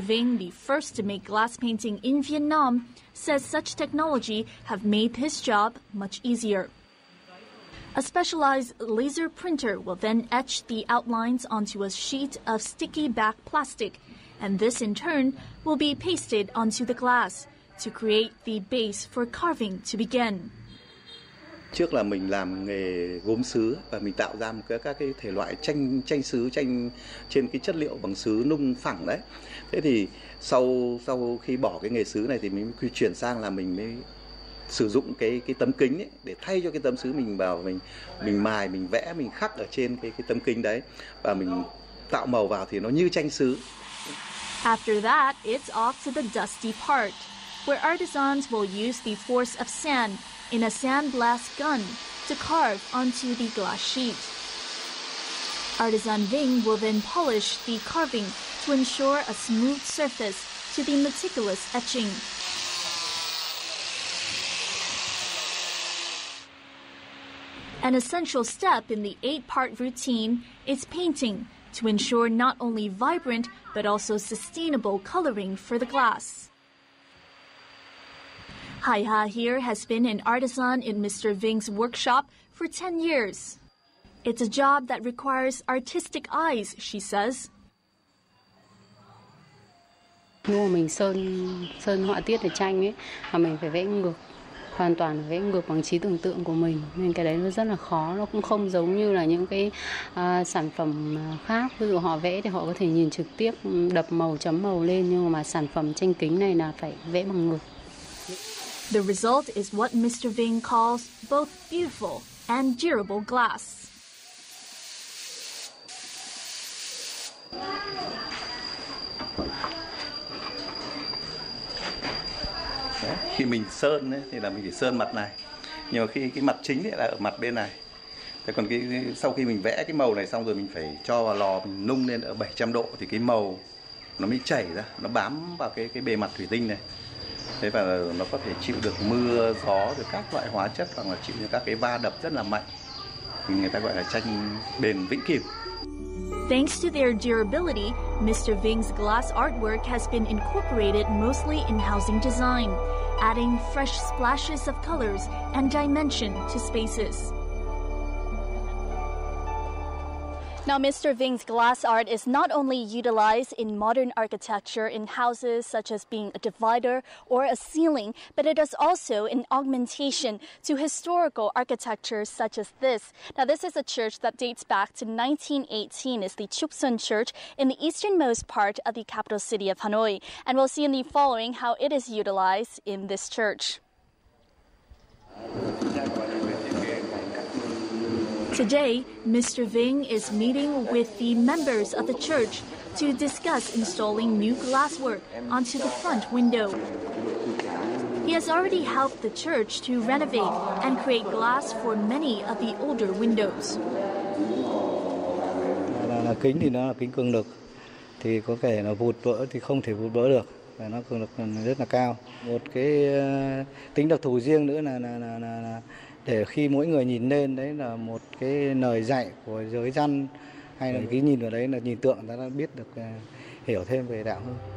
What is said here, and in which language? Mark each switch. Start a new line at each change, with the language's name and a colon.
English: Vinh, the first to make glass painting in Vietnam, says such technology have made his job much easier. A specialized laser printer will then etch the outlines onto a sheet of sticky back plastic, and this in turn will be pasted onto the glass to create the base for carving to begin.
Vietnamese: Trước là mình làm nghề gốm sứ và mình tạo ra một các cái thể loại tranh tranh sứ tranh trên cái chất liệu bằng sứ nung phẳng đấy. Thế thì sau khi bỏ cái nghề sứ này thì mình quy chuyển sang là mình mới sử dụng cái tấm kính ấy để thay cho cái tấm sứ mình vào mình mài, mình vẽ, mình khắc ở trên cái tấm kính đấy và mình tạo màu vào thì nó như tranh sứ.
English: After that, it's off to the dusty part, where artisans will use the force of sand in a sandblast gun to carve onto the glass sheet. Artisan Ving will then polish the carving to ensure a smooth surface to the meticulous etching. An essential step in the 8-part routine is painting to ensure not only vibrant but also sustainable coloring for the glass. Haiha here has been an artisan in Mr. Ving's workshop for 10 years. It's a job that requires artistic eyes, she says.
Vietnamese: Nếu mình sơn họa tiết ở tranh ấy, mà mình phải vẽ ngược, hoàn toàn vẽ ngược bằng trí tưởng tượng của mình. Nên cái đấy nó rất là khó, nó cũng không giống như là những cái sản phẩm khác. Ví dụ họ vẽ thì họ có thể nhìn trực tiếp, đập màu, chấm màu lên. Nhưng mà sản phẩm tranh kính này là phải vẽ bằng ngược.
English: The result is what Mr. Ving calls both beautiful and durable glass.
Vietnamese: Khi mình sơn ấy, thì là mình phải sơn mặt này. Nhưng mà khi cái mặt chính ấy là ở mặt bên này. Thế còn sau khi mình vẽ cái màu này xong rồi mình phải cho vào lò mình nung lên ở 700 độ thì cái màu nó mới chảy ra, nó bám vào cái bề mặt thủy tinh này. Thế và nó có thể chịu được mưa, gió, được các loại hóa chất hoặc là chịu được các cái va đập rất là mạnh. Người ta gọi là tranh bền vĩnh cửu.
English: Thanks to their durability, Mr. Ving's glass artwork has been incorporated mostly in housing design, adding fresh splashes of colors and dimension to spaces. Now, Mr. Ving's glass art is not only utilized in modern architecture in houses such as being a divider or a ceiling, but it is also an augmentation to historical architecture such as this. Now, this is a church that dates back to 1918. It's the Chupsun Church in the easternmost part of the capital city of Hanoi. And we'll see in the following how it is utilized in this church. Today, Mr. Ving is meeting with the members of the church to discuss installing new glasswork onto the front window. He has already helped the church to renovate and create glass for many of the older windows.
Vietnamese: Kính thì nó là kính cường lực, thì có thể là vụt vỡ thì không thể vụt vỡ được. Nó cường lực rất là cao. Một cái tính đặc thù riêng nữa là để khi mỗi người nhìn lên đấy là một cái lời dạy của giới dân hay là cái nhìn ở đấy là nhìn tượng ta đã biết được hiểu thêm về đạo hơn.